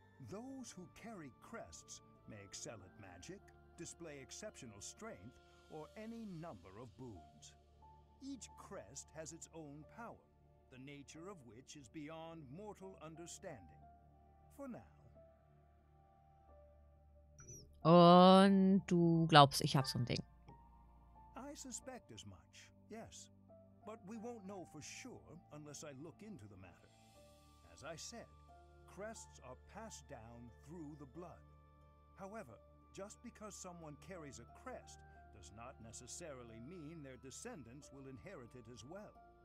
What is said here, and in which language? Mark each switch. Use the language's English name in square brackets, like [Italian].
[English] Those who carry crests may excel at magic, display exceptional strength, or any number of boons. Each crest has its own power, the nature of which is beyond mortal understanding. For now. [German] Und du glaubst, ich hab so ein Ding. [English] I suspect as much, yes. But we won't know for sure unless I look into the matter. As I said, crests are passed down through the blood. However, just because someone carries a crest does not necessarily mean their descendants will inherit it as well.